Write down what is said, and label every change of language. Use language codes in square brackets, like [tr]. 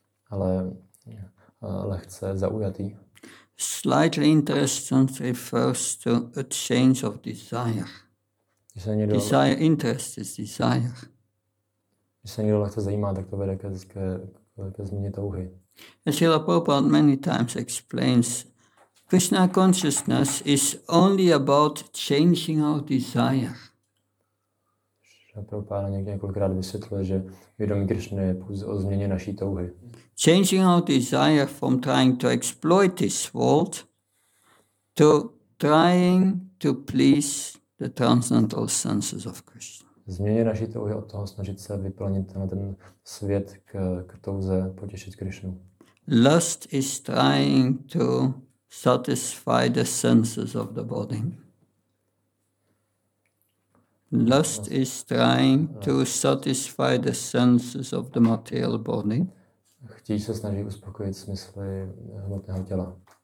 [cs] Ale lehce zaujatý. [en] Slightly interested refers to a change of desire. Desire, interest is desire. [cs] Když se někdo lehce zajímá, tak to vede ke změně touhy. [en] Srila Prabhupada many times explains Krishna consciousness is only about changing our desire. [cs] Srila Prabhupada několikrát vysvětluje, že vědomí Krishna je pouze o změně naší touhy. [en] Changing our desire from trying to exploit this world to trying to please the transcendental senses of Krishna. [cs] Změně naší touhy od toho snažit se vyplnit ten svět k touze potěšit Krishnu. [en] Lust is trying to satisfy the senses of the body. Lust is trying to satisfy the senses of the material body. [cs] Chtíč se snaží uspokojit smysly hmotného těla.